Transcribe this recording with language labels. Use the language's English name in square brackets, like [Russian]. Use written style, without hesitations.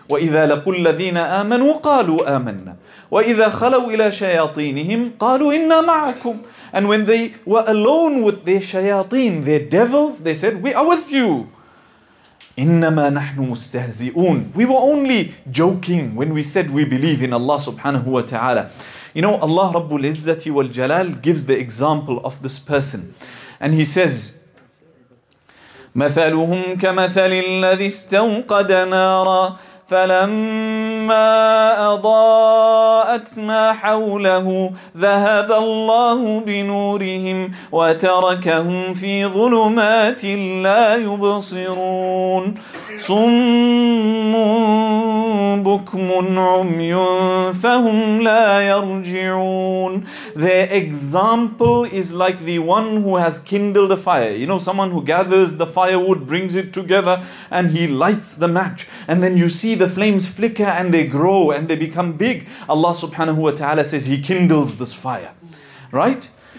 [Arabic] وَإِذَا لَقُوا الَّذِينَ آمَنُوا قَالُوا آمَنَّا وَإِذَا خَلَوْا إِلَى شَيَاطِينِهِمْ قَالُوا إِنَّا مَعَكُمْ. [English] And when they were alone with their shayateen, their devils, they said, "We are with you." [Arabic] إِنَّمَا نَحْنُ مُسْتَهْزِئُونَ. [English] We were only joking when we said we believe in Allah subhanahu wa ta'ala. You know, Allah Rabbul Izzati wal Jalal gives the example of this person. And He says, [Arabic] مثلهم كمثل الذي استوقد نارا فلما أضاءت ما حوله ذهب الله بنورهم وتركهم في ظلمات لا يبصرون صم بكم عمي فهم لا يرجعون. [English] Their example is like the one who has kindled a fire. You know, someone who gathers the firewood, brings it together, and he lights the match, and then you see the flames flicker and they grow and they become big. Allah subhanahu wa ta'ala says He kindles this fire. Right?